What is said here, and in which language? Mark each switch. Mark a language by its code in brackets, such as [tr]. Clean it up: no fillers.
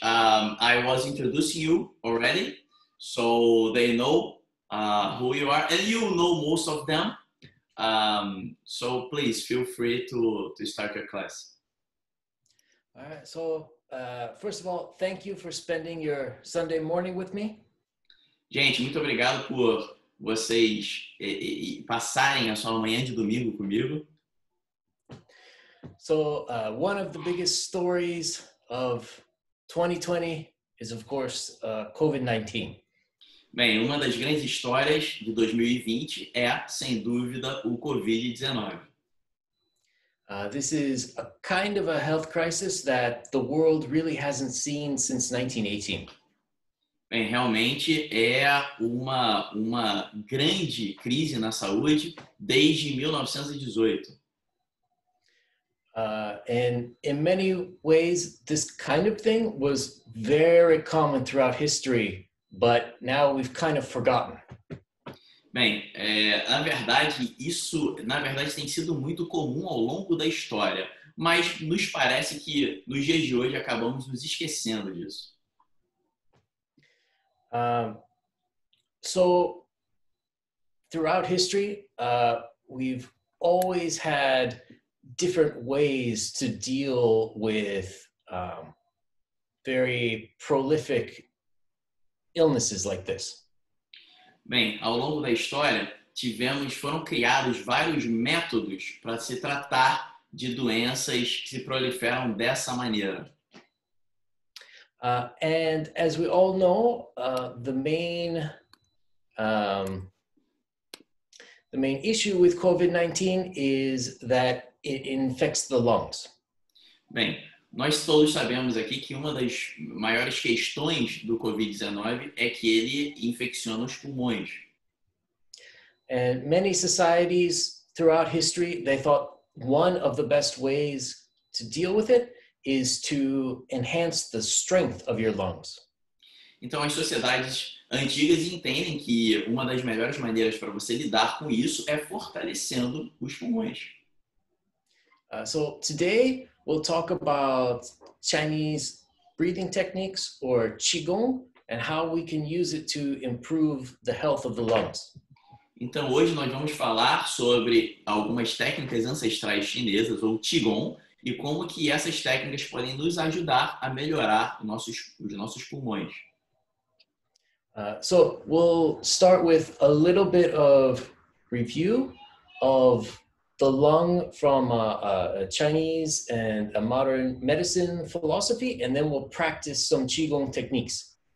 [en] I was introducing you already, so they know who you are, and you know most of them. So please feel free to start your class. All right. So first of all, thank you for spending your Sunday morning with me. [pt] Gente, muito obrigado por vocês passarem a sua manhã de domingo comigo. [en] So one of the biggest stories of 2020 is of course COVID-19. [pt] Bem, uma das grandes histórias de 2020 é, sem dúvida, o COVID-19. [en] This is a kind of a health crisis that the world really hasn't seen since 1918. [pt] Bem, realmente é uma grande crise na saúde desde 1918. [en] And in many ways, this kind of thing was very common throughout history. But now we've kind of forgotten. [pt] Bem, na verdade, tem sido muito comum ao longo da história. Mas nos parece que, nos dias de hoje, acabamos nos esquecendo disso. [en] So, throughout history, we've always had different ways to deal with very prolific illnesses like this. [pt] Bem, ao longo da história, foram criados vários métodos para se tratar de doenças que se proliferam dessa maneira. [en] And as we all know, the main issue with COVID-19 is that it infects the lungs. [pt] Bem, nós todos sabemos aqui que uma das maiores questões do COVID-19 é que ele infecciona os pulmões. [en] And many societies throughout history, they thought one of the best ways to deal with it is to enhance the strength of your lungs. [pt] Então, as sociedades antigas entendem que uma das melhores maneiras para você lidar com isso é fortalecendo os pulmões. [en] So, today, we'll talk about Chinese breathing techniques or Qigong and how we can use it to improve the health of the lungs. [pt] Então hoje nós vamos falar sobre algumas técnicas ancestrais chinesas ou Qigong e como que essas técnicas podem nos ajudar a melhorar os nossos pulmões. [en] So we'll start with a little bit of review of the lung from a Chinese and a modern medicine philosophy, and then we'll practice some Qigong techniques.